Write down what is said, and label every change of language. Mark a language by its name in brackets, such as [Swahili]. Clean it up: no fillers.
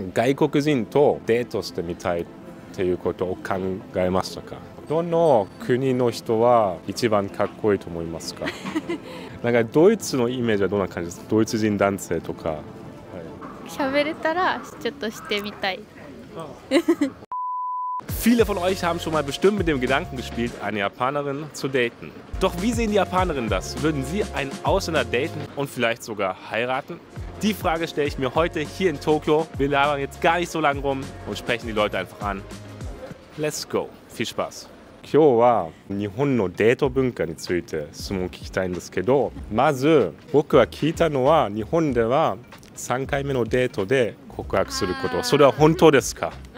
[Japanese] 外国人とデートしてみたいっていうことを考えましたか？どの国の人は一番かっこいいと思いますか？なんかドイツのイメージはどんな感じですか？ドイツ人男性とか、はい、喋れたらちょっとしてみたい。 [German] Viele von euch haben schon mal bestimmt mit dem Gedanken gespielt, eine Japanerin zu daten. Doch wie sehen die Japanerinnen das? Würden sie einen Ausländer daten und vielleicht sogar heiraten? Die Frage stelle ich mir heute hier in Tokio. Wir labern jetzt gar nicht so lange rum und sprechen die Leute einfach an. [English] Let's go. [German] Viel Spaß. [Japanese] 今日は日本のデート文化について質問を聞きたいんですけど、まず僕は聞いたのは日本では3回目のデートで告白すること、それは本当ですか？